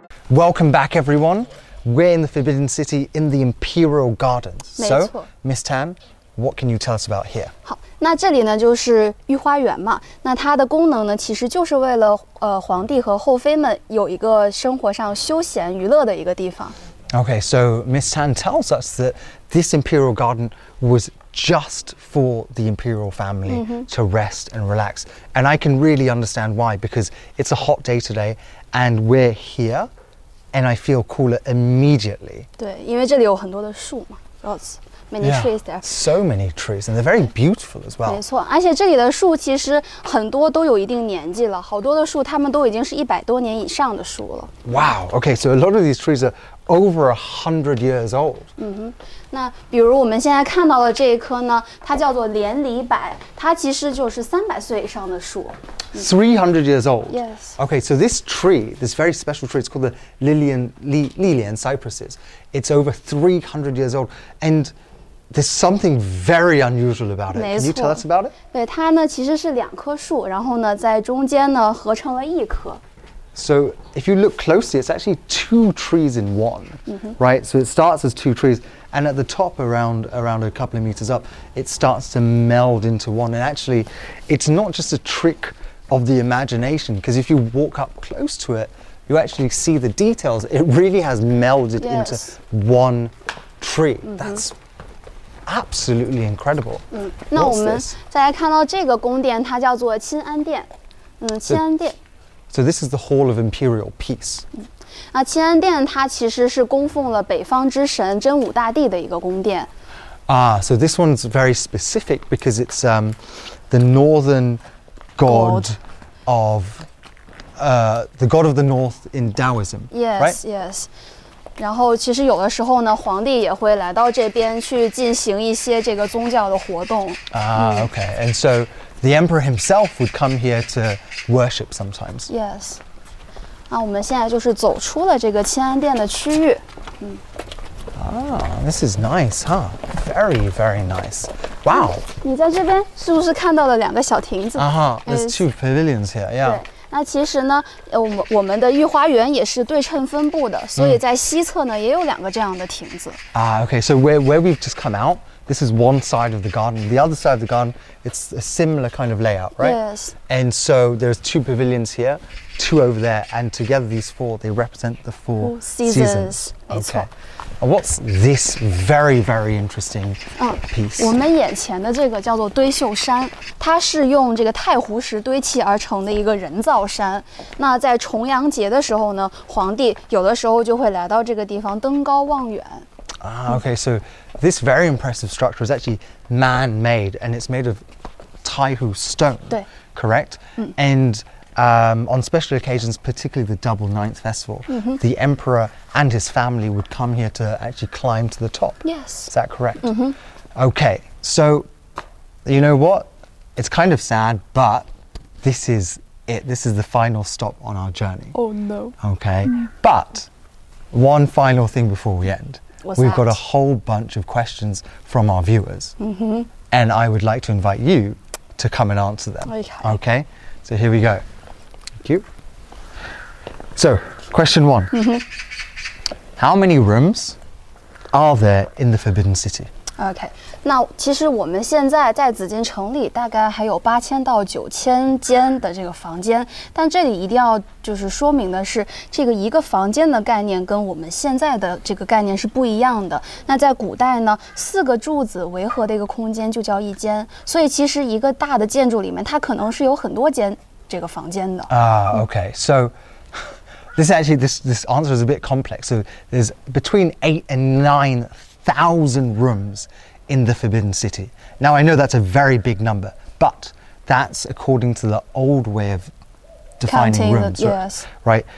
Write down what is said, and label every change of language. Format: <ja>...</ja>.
<en>Welcome back, everyone. We're in the Forbidden City in the Imperial Gardens. So, Miss Tan, what can you tell us about here?</en> <zh>好，那这里呢就是御花园嘛。那它的功能呢，其实就是为了皇帝和后妃们有一个生活上休闲娱乐的一个地方。</zh> <en>Okay, so Miss Tan tells us that this Imperial Garden was just for the Imperial family to rest and relax. And I can really understand why, because it's a hot day today, and we're here. And I feel cooler immediately.</en> <zh>对，因为这里有很多的树嘛 ，</zh> <en>lots, many trees there. So many trees, and they're very beautiful as well.</en> <zh>没错，而且这里的树其实很多都有一定年纪了，好多的树它们都已经是一百多年以上的树了。</zh> <en>Wow. Okay. So a lot of these trees are over 100 years old.</en> <zh>嗯哼，那比如我们现在看到的这一棵呢，它叫做连理柏，它其实就是300岁以上的树。</zh> <en>300 years old. Yes. Okay, so this tree, this very special tree, it's called the Lilian cypresses. It's over 300 years old. And there's something very unusual about it. Can you tell us about it?</en> <zh>对，它呢其实是两棵树，然后呢在中间呢合成了一棵。</zh> <en>So if you look closely, it's actually two trees in one, right? So it starts as two trees, and at the top, around a couple of meters up, it starts to meld into one. And actually, it's not just a trick. Of the imagination, because if you walk up close to it, you actually see the details. It really has melded into one tree. That's absolutely incredible.</en> <zh>那我们再来看到这个宫殿，它叫做钦安殿。嗯，钦安殿。</zh> <en>So this is the Hall of Imperial Peace.</en> <zh>那钦安殿它其实是供奉了北方之神真武大帝的一个宫殿。</zh> <en>Ah, so this one's very specific because it's the northern god of the god of the north in Taoism. Yes, right? Yes.</en> <zh>然后其实有的时候呢，皇帝也会来到这边去进行一些这个宗教的活动。</zh> <en>Okay. And so the emperor himself would come here to worship sometimes. Yes.</en> <zh>那我们现在就是走出了这个清安殿的区域。</zh> <en>This is nice, huh? Very, very nice. Wow.</en> <zh>你在这边是不是看到了两个小亭子？</zh> <en>There's two pavilions here. Yeah.</en> <zh>那其实呢，我们的御花园也是对称分布的，所以在西侧呢也有两个这样的亭子。</zh> <en>Okay, so where we've just come out, this is one side of the garden. The other side of the garden, it's a similar kind of layout, right? Yes. And so there's two pavilions here, two over there, and together these four, they represent the four seasons. Okay. And what's this very, very interesting piece?</en> <zh>我们眼前的这个叫做堆秀山，它是用这个太湖石堆砌而成的一个人造山。那在重阳节的时候呢，皇帝有的时候就会来到这个地方登高望远。</zh> <en>Okay, so this very impressive structure is actually man-made, and it's made of taihu stone, correct? And on special occasions, particularly the double ninth festival, the emperor and his family would come here to actually climb to the top. Yes. Is that correct? Mm-hmm. Okay, so you know what? It's kind of sad, but this is it. This is the final stop on our journey. Oh, no. Okay, but one final thing before we end. We've got a whole bunch of questions from our viewers. And I would like to invite you to come and answer them. Okay, so here we go. Thank you. So, question one. How many rooms are there in the Forbidden City?</en> <zh>Okay, 那其实我们现在在紫禁城里大概还有8000到9000间的这个房间，但这里一定要就是说明的是，这个一个房间的概念跟我们现在的这个概念是不一样的。那在古代呢，四个柱子围合的一个空间就叫一间，所以其实一个大的建筑里面，它可能是有很多间这个房间的。</zh> <en>Okay, so this answer is a bit complex. So there's between 8,000 and 9,000 rooms in the Forbidden City. Now, I know that's a very big number, but that's according to the old way of defining rooms, right?</en>